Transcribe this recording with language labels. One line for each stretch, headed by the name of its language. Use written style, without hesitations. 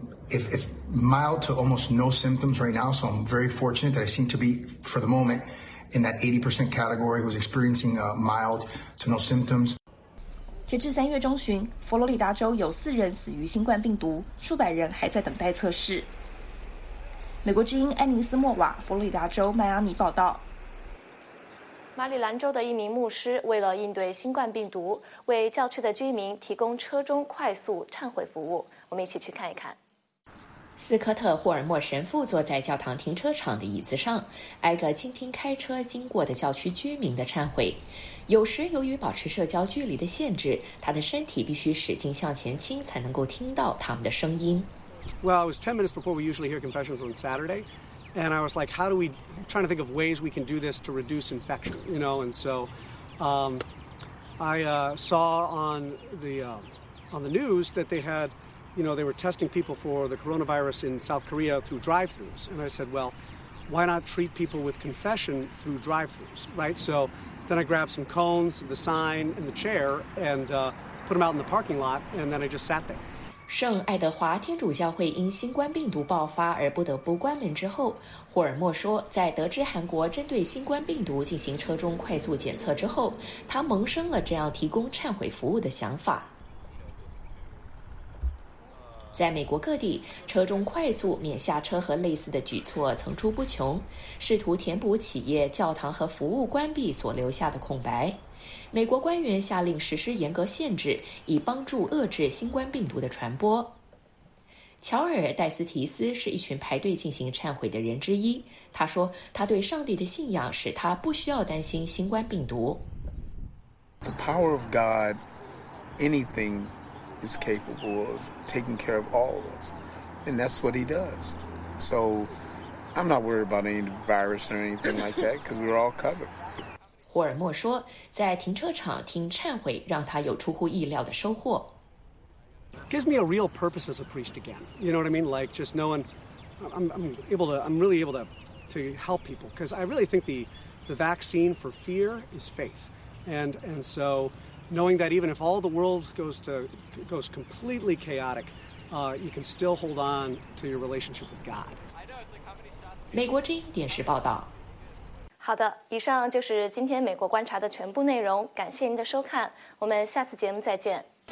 English: If mild to almost no symptoms right now, so I'm very fortunate that I seem to be, for the moment, in that 80% category, was experiencing mild to no symptoms.
Chinese: 截至三月中旬，佛罗里达州有四人死于新冠病毒，数百人还在等待测试。美国之音安妮斯莫瓦，佛罗里达州迈阿密报道。马里兰州的一名牧师为了应对新冠病毒，为教区的居民提供车中快速忏悔服务。我们一起去看一看。斯科特·霍尔默神父坐在教堂停车场的椅子上，挨个倾听开车经过的教区居民的忏悔。有时由于保持社交距离的限制，他的身体必须使劲向前倾才能够听到他们的声音。
English: Well, it was 10 minutes before we usually hear confessions on Saturday. And I was like, how do we, trying to think of ways we can do this to reduce infection, you know? And so I saw on the news that they had, you know, they were testing people for the coronavirus in South Korea through drive-thrus. And I said, well, why not treat people with confession through drive-thrus, right? So then I grabbed some cones, the sign, and the chair, and put them out in the parking lot, and then I just sat there.
Chinese: 圣爱德华天主教会因新冠病毒爆发而不得不关门之后，霍尔默说，在得知韩国针对新冠病毒进行车中快速检测之后，他萌生了这样提供忏悔服务的想法。在美国各地，车中快速免下车和类似的举措层出不穷，试图填补企业、教堂和服务关闭所留下的空白。美国官员下令实施严格限制，以帮助遏制新冠病毒的传播。乔尔·戴斯提斯是一群排队进行忏悔的人之一。他说，他对上帝的信仰使他不需要担心新冠病毒。
English: The power of God, anything is capable of taking care of all of us, and that's what He does. So, I'm not worried about any virus or anything like that because we're all covered.
Chinese: 霍尔默说，在停车场听忏悔让他有出乎意料的收获。
English: Gives me a real purpose as a priest again. You know what I mean? Like just knowing, I'm really able to help people because I really think the vaccine for fear is faith. And so knowing that even if all the world goes completely chaotic, you can still hold on to your relationship with God.
Chinese: 美国之音电视报道。好的，以上就是今天美国观察的全部内容，感谢您的收看，我们下次节目再见。